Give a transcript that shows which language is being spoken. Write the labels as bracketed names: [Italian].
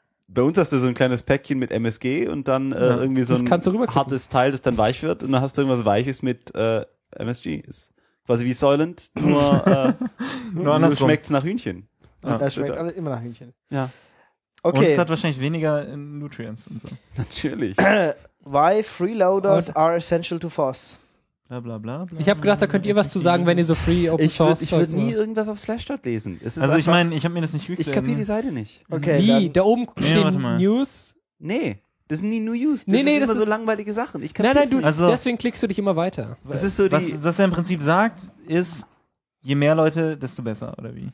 [German] Bei uns hast du so ein kleines Päckchen mit MSG und dann irgendwie so ein hartes Teil, das dann weich wird. Und dann hast du irgendwas Weiches mit MSG. Ist quasi wie Soylent, nur schmeckt's nach Hühnchen. Ja. Das schmeckt alles immer nach Hühnchen. Ja. Okay. Und es hat wahrscheinlich weniger Nutrients und so. Natürlich. [English] Why Freeloaders are essential to FOSS. Bla bla bla. [German] Ich habe gedacht, da könnt ihr was zu sagen, wenn ihr so Free Open ich Source. Ich würde nie irgendwas auf Slashdot lesen. Es ist also, ich meine, ich habe mir das nicht gekriegt. Ich kapiere die Seite nicht. Okay. Wie? Da oben stehen News? Nee. Das sind nie New News. Das sind so langweilige Sachen. Ich kapiere nicht. Nein, deswegen klickst du dich immer weiter. Das ist so was er im Prinzip sagt, ist. Je mehr Leute, desto besser, oder wie?